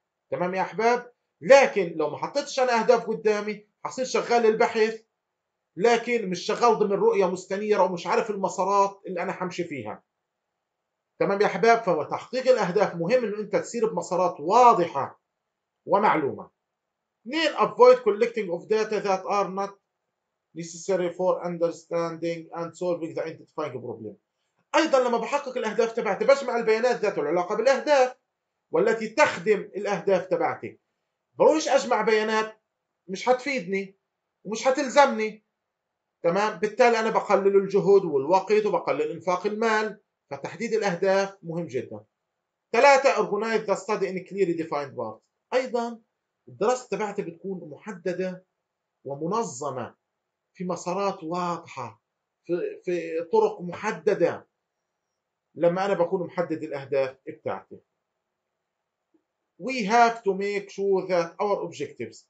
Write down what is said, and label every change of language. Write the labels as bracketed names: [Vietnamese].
[Arabic] تمام يا أحباب؟ لكن لو ما حطيتش أنا أهداف قدامي حصير شغال للبحث لكن مش شغال ضمن رؤية مستنيرة ومش عارف المسارات اللي أنا حمشي فيها. تمام يا أحباب؟ فتحقيق الأهداف مهم إنه أنت تسير بمسارات واضحة ومعلومة. اثنين [English] avoid collecting of data that are not necessary for understanding and solving the identifying problem. [Arabic] أيضا لما بحقق الأهداف تبعتي بجمع البيانات ذات العلاقة بالأهداف والتي تخدم الأهداف تبعتي. بروش أجمع بيانات مش هتفيدني ومش هتلزمني. تمام؟ بالتالي أنا بقلل الجهد والوقت وبقلل إنفاق المال. فتحديد الأهداف مهم جدا. ثلاثة [English] organize the study in clearly defined parts. [Arabic] أيضا الدراسة تبعتي بتكون محددة ومنظمة في مسارات واضحة في طرق محددة لما أنا بكون محدد الأهداف بتاعتي. [English] We have to make sure that our objectives.